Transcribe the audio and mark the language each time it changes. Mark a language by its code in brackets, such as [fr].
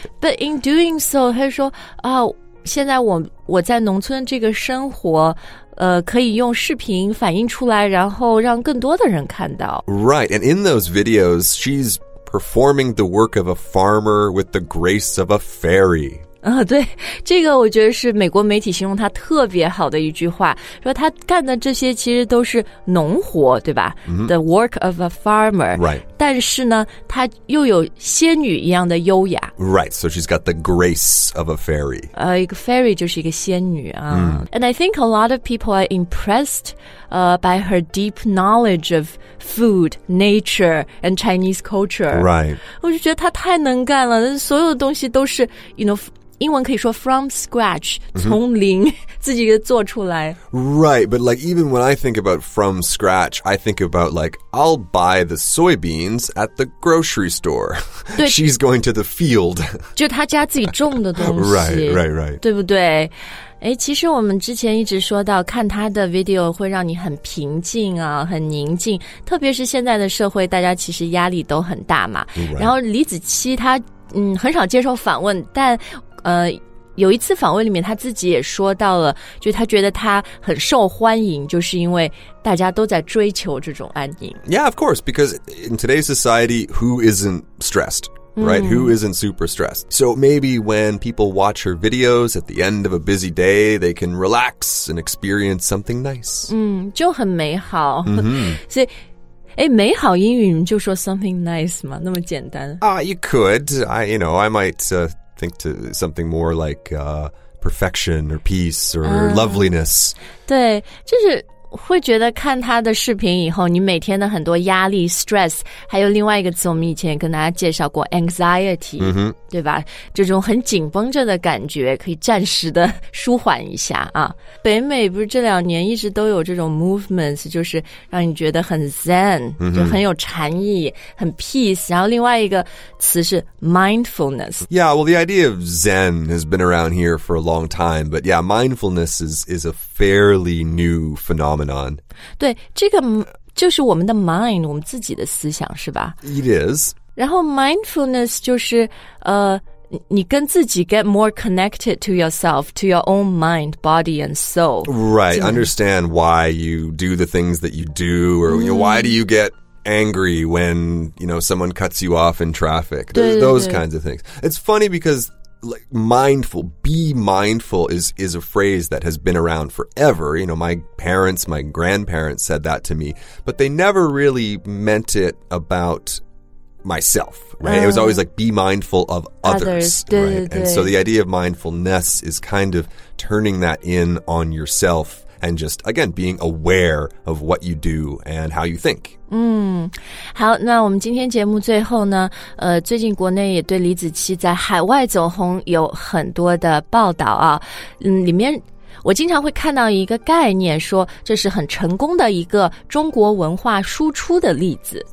[en] But in doing so, [zh] 她说、现在 我在农村这个生活可以用视频反映出来然后让更多的人看到。 [en] Right, and in those videos, she's performing the work of a farmer with the grace of a fairy. [zh] 对这个我觉得是美国媒体形容他特别好的一句话说他干的这些其实都是农活对吧、 mm-hmm. [en] The work of a farmer、 right. [zh] 但是呢他又有仙女一样的优雅 [en] Right, so she's got the grace of a fairy [zh] 一个 fairy 就是一个仙女啊。 Mm. [en] And I think a lot of people are impressed by her deep knowledge of food, nature and Chinese culture Right [zh] 我就觉得他太能干了所有的东西都是 英文可以说 from scratch, 从零、mm-hmm. 自己做出来。 [en] Right, but like even when I think about from scratch, I think about like, I'll buy the soybeans at the grocery store. She's going to the field. [zh] 就她家自己种的东西。 [en] Right. [zh] 对不对？诶，其实我们之前一直说到看她的 video 会让你很平静啊，很宁静。特别是现在的社会大家其实压力都很大嘛。 [en] Right. [zh] 然后李子柒她很少接受访问但有一次访问里面他自己也说到了就是他觉得他很受欢迎就是因为大家都在追求这种安宁 [en] Yeah, of course, because in today's society, who isn't stressed, right?、 Mm. Who isn't super stressed? So maybe when people watch her videos at the end of a busy day, they can relax and experience something nice. [zh] 就很美好、 mm-hmm. 所以诶美好英语你们就说 [en] something nice [zh] 吗那么简单、 [en] You could, I might think to something more like perfection or peace or loveliness. [zh] 对，就是会觉得看他的视频以后，你每天的很多压力 stress， 还有另外一个词，我们以前跟大家介绍过 anxiety，、 mm-hmm. 对吧？这种很紧绷着的感觉，可以暂时的舒缓一下啊。北美不是这两年一直都有这种 movements， 就是让你觉得很 zen，、 mm-hmm. 就很有禅意，很 peace。然后另外一个词是 mindfulness。 [en] Yeah, well, the idea of zen has been around here for a long time, but yeah, mindfulness is a fairly new phenomenon. [zh] 对这个就是我们的 mind 我们自己的思想是吧 [en] It is 然后 mindfulness [zh] 就是你跟自己 [en] get more connected to yourself to your own mind body and soul Right understand why you do the things that you do or why do you get angry when someone cuts you off in traffic those kinds of things It's funny because like mindful, be mindful is a phrase that has been around forever. You know, my parents, my grandparents said that to me, but they never really meant it about myself, right? It was always like, be mindful of others. Right? And so the idea of mindfulness is kind of turning that in on yourself and just, again, being aware of what you do and how you think. [zh] 好，那我们今天节目最后呢，最近国内也对李子柒在海外走红有很多的报道啊，里面我经常会看到一个概念，说这是很成功的一个中国文化输出的例子。